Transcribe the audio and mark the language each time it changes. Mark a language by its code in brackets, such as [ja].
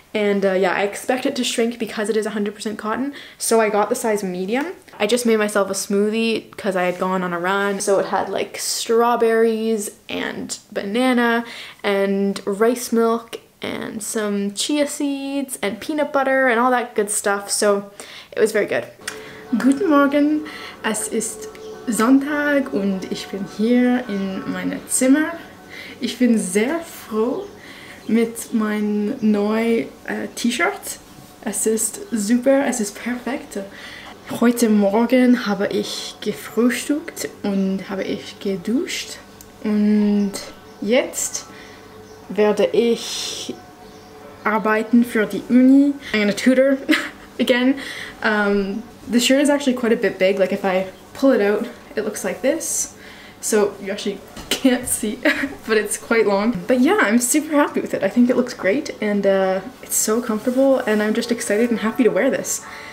[en] And yeah, I expect it to shrink because it is 100% cotton, so I got the size medium. I just made myself a smoothie because I had gone on a run, so it had like strawberries and banana and rice milk and some chia seeds and peanut butter and all that good stuff. So it was very good. [de] Guten Morgen, es ist Sonntag und ich bin hier in meinem Zimmer. Ich bin sehr froh mit meinem neuen T-Shirt. Es ist super, es ist perfekt. Heute Morgen habe ich gefrühstückt und habe ich geduscht und jetzt werde ich arbeiten für die Uni. [en] I'm gonna tutor again. The shirt is actually quite a bit big. Like, if I pull it out, it looks like this. So you actually can't see, but it's quite long. But yeah, I'm super happy with it. I think it looks great, and it's so comfortable, and I'm just excited and happy to wear this.